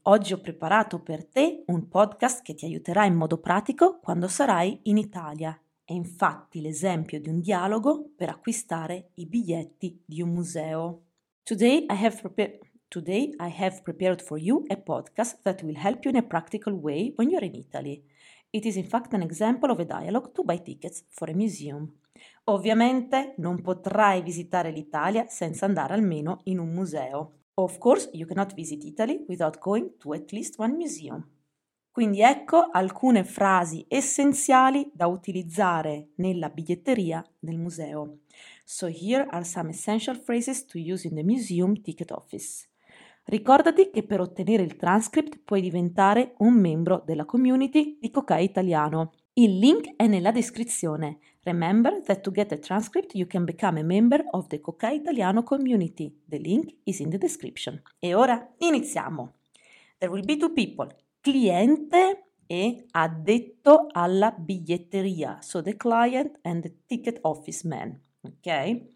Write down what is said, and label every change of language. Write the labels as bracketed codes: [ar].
[it] Oggi ho preparato per te un podcast che ti aiuterà in modo pratico quando sarai in Italia. È infatti l'esempio di un dialogo per acquistare i biglietti di un museo. [en] Today I have prepared for you a podcast that will help you in a practical way when you're in Italy. It is in fact an example of a dialogue to buy tickets for a museum. [it] Ovviamente non potrai visitare l'Italia senza andare almeno in un museo. [en] Of course, you cannot visit Italy without going to at least one museum. [it] Quindi ecco alcune frasi essenziali da utilizzare nella biglietteria del museo. [en] So here are some essential phrases to use in the museum ticket office. [it] Ricordati che per ottenere il transcript puoi diventare un membro della community di Cocai Italiano. Il link è nella descrizione. [en] Remember that to get a transcript you can become a member of the Cocai Italiano community. The link is in the description. [it] E ora iniziamo! [en] There will be two people, [it] cliente e addetto alla biglietteria. [en] So the client and the ticket office man, ok?